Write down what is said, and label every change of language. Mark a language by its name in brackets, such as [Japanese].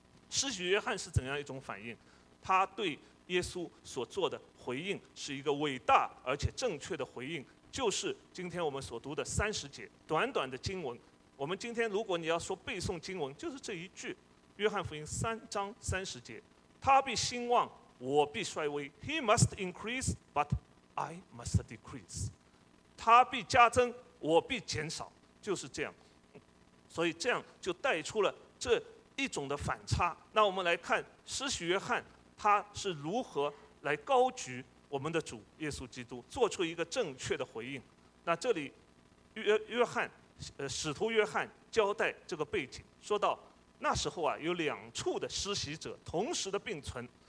[Chinese] 施洗约翰是怎样一种反应？他对耶稣所做的回应是一个伟大而且正确的回应，就是今天我们所读的三十节短短的经文。我们今天如果你要说背诵经文，就是这一句，约翰福音三章三十节，他必兴旺，我必衰微。 [English] He must increase, but I must decrease. [Chinese] 他必加增，我必减少。就是这样。所以这样就带出了这一种的反差。那我们来看施洗约翰他是如何来高举我们的主耶稣基督，做出一个正确的回应。那这里使徒约翰交代这个背景，说到那时候啊，有两处的施洗者同时的并存。